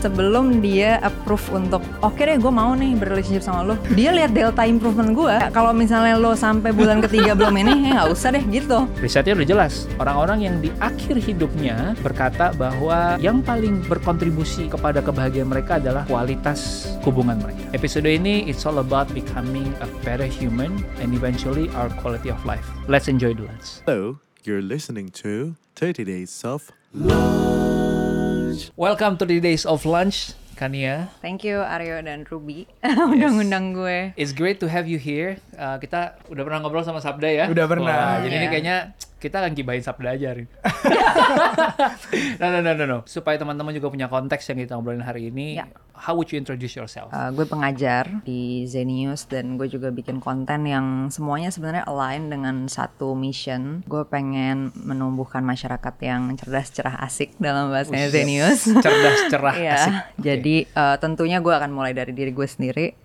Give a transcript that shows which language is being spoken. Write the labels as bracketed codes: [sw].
[id] Sebelum dia approve untuk oke deh gua mau nih berrelationship sama lo, dia lihat [en] delta improvement [id] gua. Kalau misalnya lo sampai bulan ketiga belum ini, ya nggak usah deh gitu. Risetnya udah jelas, orang-orang yang di akhir hidupnya berkata bahwa yang paling berkontribusi kepada kebahagiaan mereka adalah kualitas hubungan mereka. Episode ini, [en] it's all about becoming a better human and eventually our quality of life. Let's enjoy the lunch. Hello, you're listening to 30 Days of Lunch. Welcome to 30 Days of Lunch, Kania. Thank you, [id] Aryo dan Ruby. Udah ngundang gue. [en] It's great to have you here. [id] Kita udah pernah ngobrol sama Sabda ya? Udah pernah. Wah, jadi ini kayaknya kita akan gibahin Sabda aja, Rin. [en] No. [id] Supaya teman-teman juga punya konteks yang kita ngobrolin hari ini, [en] yeah. How would you introduce yourself? [id] Gue pengajar di Zenius dan gue juga bikin konten yang semuanya sebenarnya align dengan satu mission. Gue pengen menumbuhkan masyarakat yang cerdas, cerah, asik dalam bahasanya Zenius. Cerdas, cerah, yeah. Asik. Jadi tentunya gue akan mulai dari diri gue sendiri.